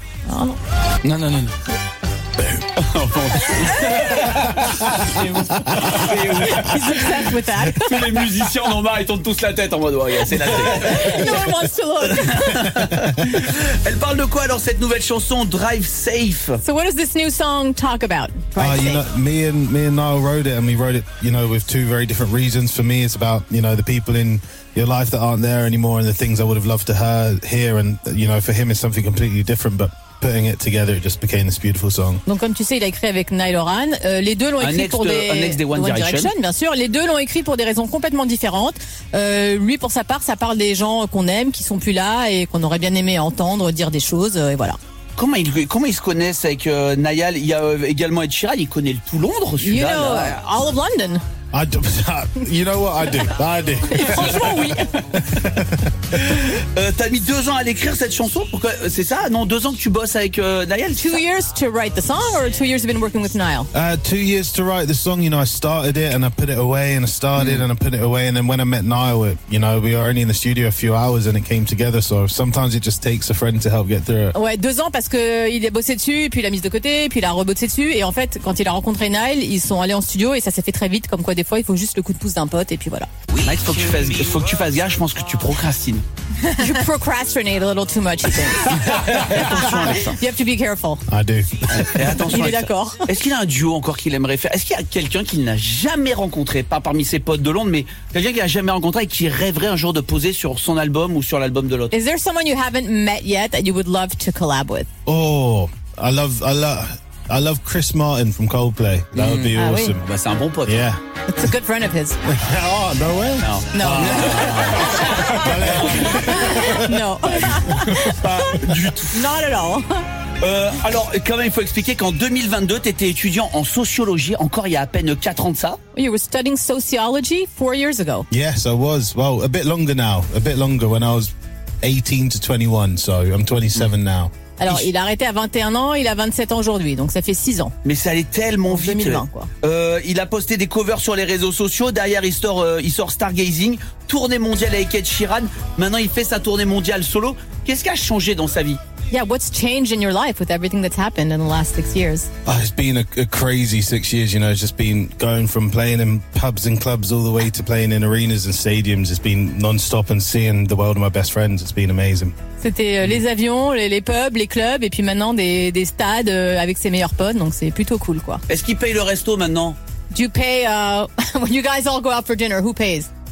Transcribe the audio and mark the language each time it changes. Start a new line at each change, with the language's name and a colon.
French: Oh. Non.
English: He's obsessed with that.
French: Tous les musiciens en ont marre, ils tournent tous la tête en mode ouais, c'est la tête.
English: No one wants to look.
French: Elle parle de quoi dans cette nouvelle chanson Drive Safe?
English: So what does this new song talk about? Me and Niall wrote it, and we wrote it, you know, with two very different reasons. For me, it's about, you know, the people in your life that aren't there anymore, and the things I would have loved to hear. And, you know, for him, it's something completely different, but putting it together, it just became this beautiful song.
French: Donc comme tu sais, il a écrit avec Niall Horan. Les deux l'ont écrit pour One Direction, bien sûr. Les deux l'ont écrit pour des raisons complètement différentes. Lui, pour sa part, ça parle des gens qu'on aime, qui sont plus là et qu'on aurait bien aimé entendre dire des choses. Et voilà. Comment ils se connaissent avec Niall? Il y a également Ed Sheeran. Il connaît tout Londres, celui-là.
English: You know, all of London. I do, you know what I do? I do.
French: Franchement, oui. T'as mis 2 ans à l'écrire cette chanson. Pourquoi? C'est ça? Non, 2 ans que tu bosses avec Niall.
English: 2 years to write the song, or 2 years you've been working with Niall? 2 years to write the song. You know, I started it and I put it away, and I started and I put it away, and then when I met Niall, you know, we were only in the studio a few hours and it came together. So sometimes it just takes a friend to help get through it.
French: Ouais, 2 ans parce que il a bossé dessus, puis il a mis de côté, puis il a rebossé dessus, et en fait, quand il a rencontré Niall, ils sont allés en studio et ça s'est fait très vite, comme quoi. Des fois, il faut juste le coup de pouce d'un pote et puis voilà. Mike, faut que tu fasses gaffe, je pense que tu procrastines.
English: You procrastinate a little too much, you think.
French: Attention avec ça.
English: You have to be careful. I do.
French: Et attention, il est d'accord. Est-ce qu'il a un duo encore qu'il aimerait faire? Est-ce qu'il y a quelqu'un qu'il n'a jamais rencontré, pas parmi ses potes de Londres, mais quelqu'un qu'il n'a jamais rencontré et qui rêverait un jour de poser sur son album ou sur l'album de l'autre?
English: Is there someone you haven't met yet that you would love to collab with? Oh, I love Chris Martin from Coldplay. That would be awesome.
French: Oui. Bah, c'est un bon pote.
English: Yeah. It's a good friend of his. Oh, no way. No. No. No.
French: Pas du tout.
English: Not at all.
French: Alors, quand même, il faut expliquer qu'en 2022, tu étais étudiant en sociologie, encore il y a à peine 4 ans de ça.
English: You were studying sociology 4 years ago. Yes, I was. Well, a bit longer now. A bit longer when I was 18 to 21. So I'm 27 now.
French: Alors, il a arrêté à 21 ans, il a 27 ans aujourd'hui, donc ça fait 6 ans. Mais ça allait tellement vite. 2020, quoi. Il a posté des covers sur les réseaux sociaux, derrière il sort Stargazing, tournée mondiale avec Ed Sheeran, maintenant il fait sa tournée mondiale solo. Qu'est-ce qui a changé dans sa vie?
English: Yeah, what's changed in your life with everything that's happened in the last 6 years? Oh, it's been a crazy 6 years, you know. It's just been going from playing in pubs and clubs all the way to playing in arenas and stadiums. It's been non-stop and seeing the world of my best friends. It's been amazing.
French: C'était les avions, les pubs, les clubs, et puis maintenant des stades avec ses meilleurs potes, donc c'est plutôt cool, quoi. Est-ce qu'il paye le resto maintenant?
English: Do you pay, when you guys all go out for dinner, who pays?